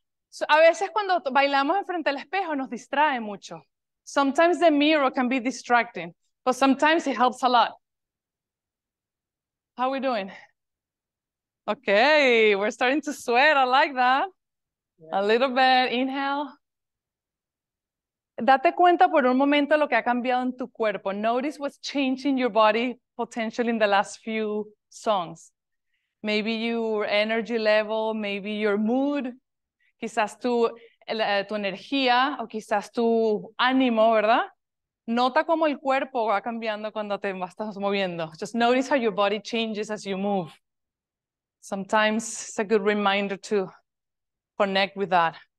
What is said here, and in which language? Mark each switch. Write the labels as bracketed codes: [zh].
[en] So, [es] a veces cuando bailamos enfrente del espejo nos distrae mucho. [en] Sometimes the mirror can be distracting, but sometimes it helps a lot. How are we doing? Okay, we're starting to sweat. I like that. Yeah. A little bit. Inhale. [es] Date cuenta por un momento lo que ha cambiado en tu cuerpo. [en] Notice what's changing your body potentially in the last few songs. Maybe your energy level, maybe your mood. [es] Quizás tu energía o quizás tu ánimo, ¿verdad? Nota cómo el cuerpo va cambiando cuando te estás moviendo. [en] Just notice how your body changes as you move. Sometimes it's a good reminder to connect with that.